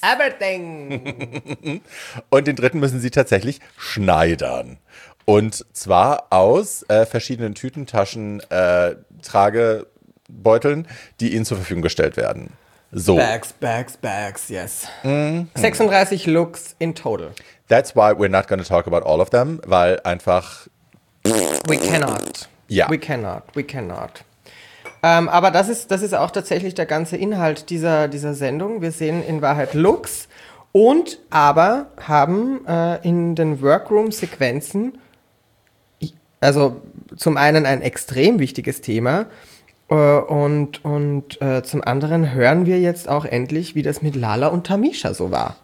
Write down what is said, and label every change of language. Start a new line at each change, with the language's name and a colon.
English: Everything.
German: Und den dritten müssen sie tatsächlich schneidern. Und zwar aus verschiedenen Tütentaschen, Tragebeuteln, die ihnen zur Verfügung gestellt werden.
English: So. Bags, bags, bags, yes. Mm-hmm. 36 Looks in total. That's why we're not gonna talk about all of them,
German: weil einfach...
English: We cannot.
German: Ja.
English: We cannot, we cannot.
German: Aber das ist auch tatsächlich der ganze Inhalt dieser Sendung. Wir sehen in Wahrheit Looks und aber haben in den Workroom-Sequenzen... Also zum einen ein extrem wichtiges Thema und zum anderen hören wir jetzt auch endlich, wie das mit Lala und Tamisha so war.